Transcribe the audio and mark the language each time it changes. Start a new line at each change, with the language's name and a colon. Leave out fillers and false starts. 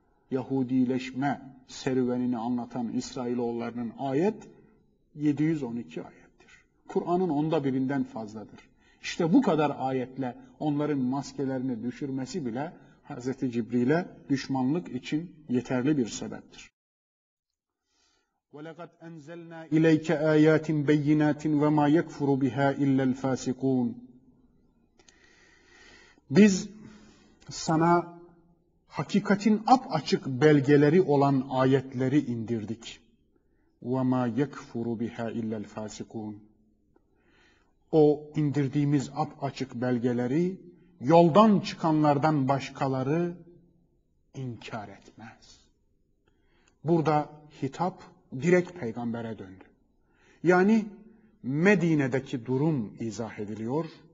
Turkish: Yahudileşme serüvenini anlatan İsrailoğullarının ayet 712 ayet. Kur'an'ın onda birinden fazladır. İşte bu kadar ayetle onların maskelerini düşürmesi bile Hazreti Cibril'e düşmanlık için yeterli bir sebeptir.
Arabic: وَلَقَدْ اَنْزَلْنَا اِلَيْكَ آيَاتٍ بَيِّنَاتٍ وَمَا يَكْفُرُ بِهَا اِلَّا الْفَاسِقُونَ
Turkish: Biz sana hakikatin apaçık belgeleri olan ayetleri indirdik.
Arabic: وَمَا يَكْفُرُ بِهَا اِلَّا الْفَاسِقُونَ
Turkish: O indirdiğimiz apaçık belgeleri yoldan çıkanlardan başkaları inkar etmez. Burada hitap direkt peygambere döndü. Yani Medine'deki durum izah ediliyor.